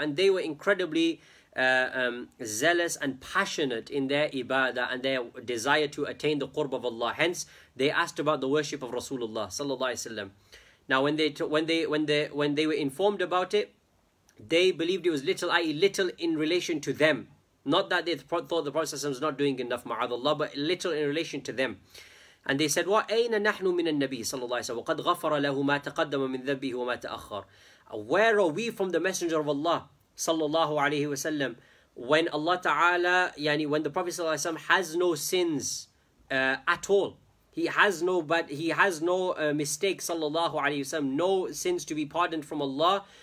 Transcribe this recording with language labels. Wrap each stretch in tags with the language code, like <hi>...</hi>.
<en>And they were incredibly zealous and passionate in their ibadah and their desire to attain the qurb of Allah. Hence, they asked about the worship of Rasulullah sallallahu alaihi wasallam. Now, when they were informed about it, they believed it was little, i.e. little in relation to them. Not that they thought the Prophet was not doing enough, ma'adallah, but little in relation to them. And they said,</en> <ar>وَأَيْنَ نَحْنُ مِنَ النَّبِيِّ صلى الله عليه وسلم وَقَدْ غَفَرَ لَهُ مَا تَقَدَّمَ مِنْ ذَبِّهُ وَمَا تَأَخَّرَ.</ar> <en>Where are we from the Messenger of Allah صلى الله عليه وسلم, when Allah Ta'ala, yani when the Prophet صلى الله عليه وسلم has no sins at all. He has no mistake, sallallahu alayhi wa sallam, no sins to be pardoned from Allah.</en>